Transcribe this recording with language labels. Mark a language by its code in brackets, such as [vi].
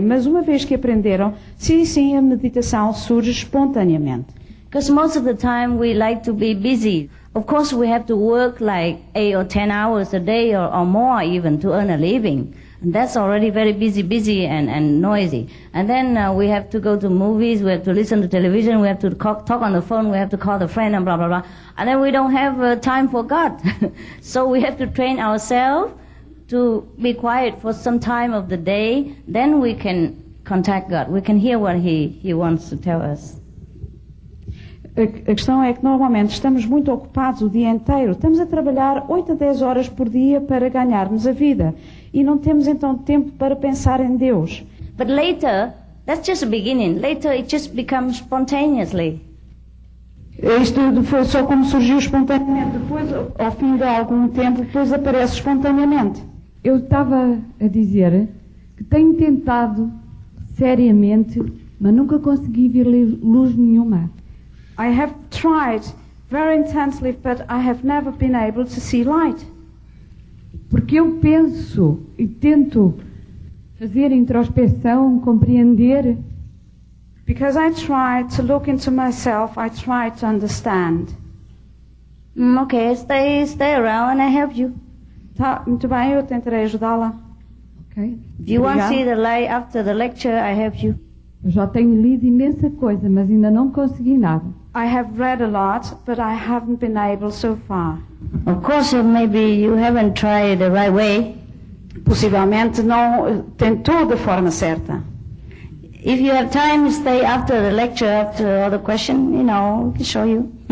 [pt] Mas uma vez que aprenderam, sim, a meditação surge espontaneamente. [en] Because most of the time we like to be busy. Of course we have to work like 8 or 10 hours a day or more even to earn a living. And that's already very busy and noisy. And then we have to go to movies, we have to listen to television, we have to talk on the phone, we have to call the friend and blah blah blah. And then we don't have time for God. So we have to train ourselves to be quiet for some time of the day. Then we can contact God. We can hear what he wants to tell us. [pt] A questão é que normalmente estamos muito ocupados o dia inteiro. Estamos a trabalhar 8 a 10 horas por dia para ganharmos a vida. E não temos então tempo para pensar em Deus. [en] But later, that's just the beginning. Later it just becomes spontaneously. [pt] Isto foi só como surgiu espontaneamente. Depois, ao fim de algum tempo, depois aparece espontaneamente. Eu estava a dizer que tenho tentado seriamente, mas nunca consegui ver luz nenhuma. [en] I have tried very intensely, but I have never been able to see light. [pt] Porque eu penso e tento fazer introspeção, compreender. [en] Because I try to look into myself, I try to understand. Okay, stay around and I help you. [pt] Tá, muito bem, eu tentarei ajudá-la. [en] Okay. Do you want to see the light after the lecture, I help you. [pt] Eu já tenho lido imensa coisa, mas ainda não consegui nada. [en] I have read a lot, but I haven't been able so far. Of course, maybe you haven't tried the right way. [pt] Possivelmente não tentou da forma certa. [en] If you have time, stay after the lecture, after all the questions, you know, I can show you.